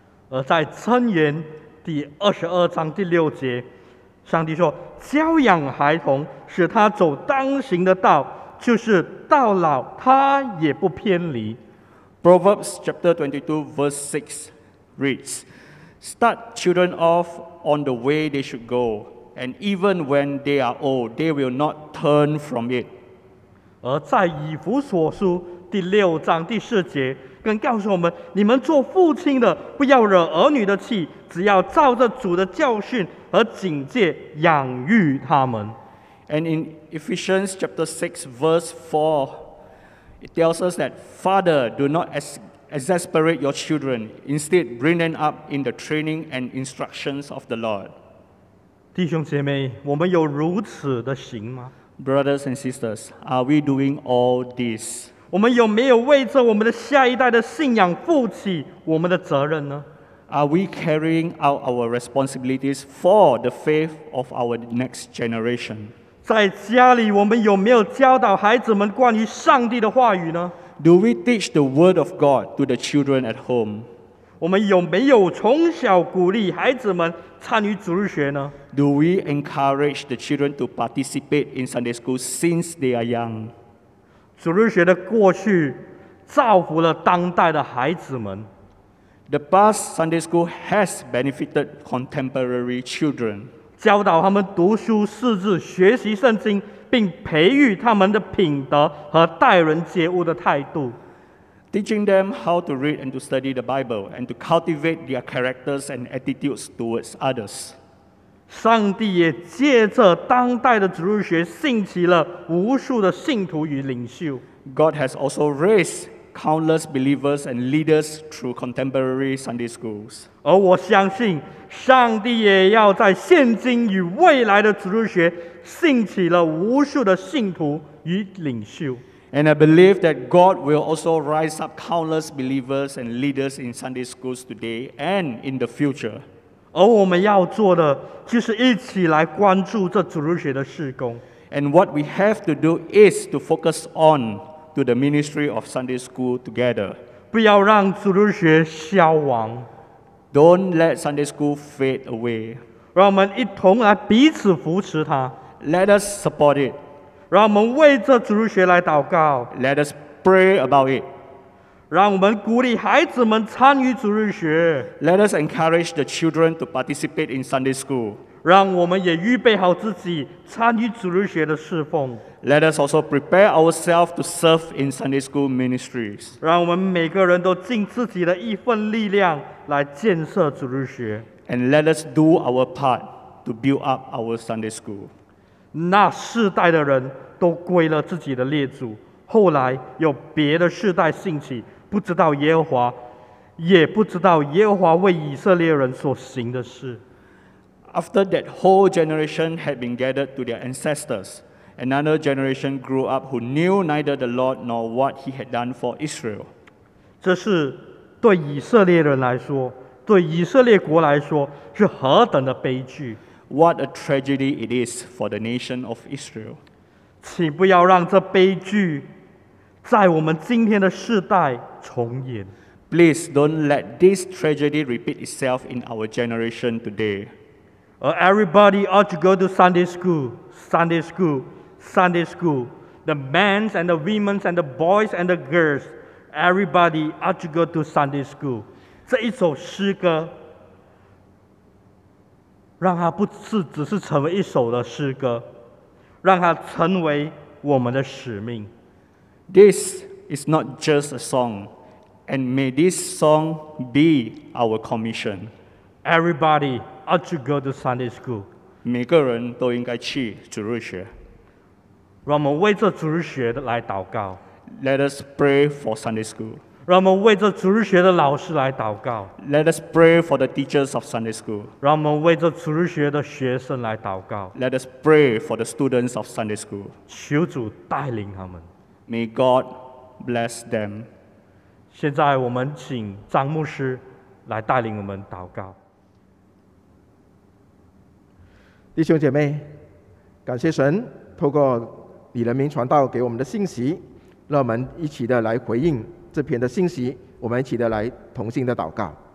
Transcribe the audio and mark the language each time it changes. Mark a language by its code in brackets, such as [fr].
[zh] 而在箴言第二十二章第六节，上帝说：“教养孩童，使他走当行的道，就是到老他也不偏离。” [en] Proverbs chapter 22 verse 6 reads, "Start children off. On the way they should go, and even when they are old, they will not turn from it." [zh] 而在以弗所书第六章第四节，更告诉我们：你们做父亲的，不要惹儿女的气，只要照着主的教训和警戒养育他们。 [en] And in Ephesians chapter 6, verse 4, it tells us that father do not exasperate your children, instead bring them up in the training and instructions of the Lord. [zh] 弟兄姐妹，我们有如此的行吗？ [en] Brothers and sisters, are we doing all this? [zh] 我们有没有为着我们的下一代的信仰负起我们的责任呢？ [en] Are we carrying out our responsibilities for the faith of our next generation? [zh] 在家里，我们有没有教导孩子们关于上帝的话语呢？ [en] Do we teach the word of God to the children at home? [zh] 我们有没有从小鼓励孩子们参与主日学呢？ [en] Do we encourage the children to participate in Sunday school since they are young? [zh] 主日学的过去造福了当代的孩子们。 [en] The past Sunday school has benefited contemporary children. [zh] 教导他们读书识字，学习圣经，并培育他们的品德和待人接物的态度。 [en] Teaching them how to read and to study the Bible and to cultivate their characters and attitudes towards others. [zh] 上帝也借着当代的主日学兴起了无数的信徒与领袖。 [en] God has also raised countless believers and leaders through contemporary Sunday schools. [zh] 而我相信上帝也要在现今与未来的主日学兴起了无数的信徒与领袖。 [en] And I believe that God will also rise up countless believers and leaders in Sunday schools today and in the future. [zh] 而我们要做的就是一起来关注这主日学的事工。 [en] And what we have to do is to focus on to the ministry of Sunday school together. [zh] 不要让主日学消亡。 [en] Don't let Sunday school fade away. [zh] 让我们一同来彼此扶持它。 [en] Let us support it. [zh] 让我们为这主日学来祷告。 [en] Let us pray about it. [zh] 让我们鼓励孩子们参与主日学。 [en] Let us encourage the children to participate in Sunday school. [zh] 让我们也预备好自己参与主日学的侍奉。 [en] Let us also prepare ourselves to serve in Sunday school ministries. [zh] 让我们每个人都尽自己的一份力量来建设主日学。 [en] And let us do our part to build up our Sunday school. [zh] 那世代的人都归了自己的列祖，后来有别的世代兴起，不知道耶和华，也不知道耶和华为以色列人所行的事。 [en] After that whole generation had been gathered to their ancestors, another generation grew up who knew neither the Lord nor what he had done for Israel. [zh] 这是对以色列人来说，对以色列国来说，是何等的悲剧。 [en] What a tragedy it is for the nation of Israel. [zh] 请不要让这悲剧在我们今天的世代重演。 [en] Please don't let this tragedy repeat itself in our generation today. Everybody ought to go to Sunday school, Sunday school, Sunday school. The men and the women and the boys and the girls, everybody ought to go to Sunday school. [zh] 这一首诗歌让它不是只是成为一首的诗歌，让它成为我们的使命。 [en] This is not just a song, and may this song be our commission. Everybody ought to go to Sunday school. [zh] 每个人都应该去主日学。让我们为这主日学的来祷告。 [en] Let us pray for Sunday school. [zh] 让我们为这主日学的老师来祷告。 [en] Let us pray for the teachers of Sunday school. [zh] 让我们为这主日学的学生来祷告。 [en] Let us pray for the students of Sunday school. [zh] 求主带领他们。 [en] May God bless them. [zh] 现在我们请张牧师来带领我们祷告。弟兄姐妹，感谢神透过李仁明传道给我们的信息，让我们一起的来回应这篇的信息，我们一起的来同心的祷告。